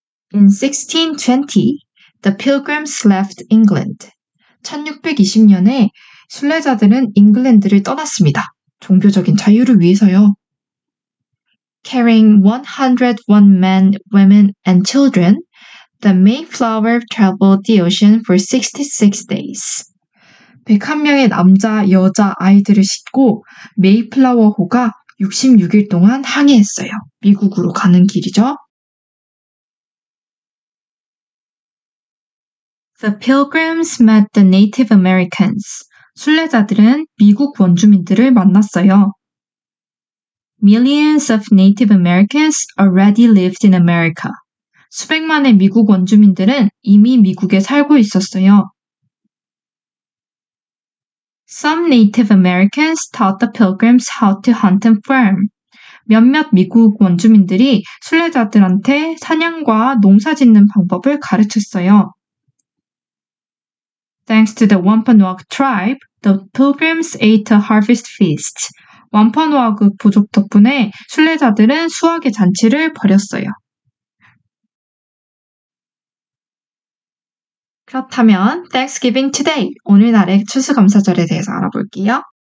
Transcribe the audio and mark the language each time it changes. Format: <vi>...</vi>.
<en>In 1620, the Pilgrims left England.</en> <ko>1620년에 순례자들은 잉글랜드를 떠났습니다. 종교적인 자유를 위해서요.</ko> <en>Carrying 101 men, women, and children, the Mayflower traveled the ocean for 66 days.</en> <ko>101명의 남자, 여자, 아이들을 싣고 메이플라워호가 66일 동안 항해했어요. 미국으로 가는 길이죠.</ko> <en>The Pilgrims met the Native Americans.</en> <ko>순례자들은 미국 원주민들을 만났어요.</ko> <en>Millions of Native Americans already lived in America.</en> <ko>수백만의 미국 원주민들은 이미 미국에 살고 있었어요.</ko> <en>Some Native Americans taught the Pilgrims how to hunt and farm.</en> <ko>몇몇 미국 원주민들이 순례자들한테 사냥과 농사 짓는 방법을 가르쳤어요.</ko> <en>Thanks to the Wampanoag tribe, the pilgrims ate a harvest feast.</en> <ko>완판우아그 부족 덕분에 순례자들은 수확의 잔치를 벌였어요. 그렇다면</ko> <en>Thanksgiving today,</en> <ko>오늘날의 추수감사절에 대해서 알아볼게요.</ko>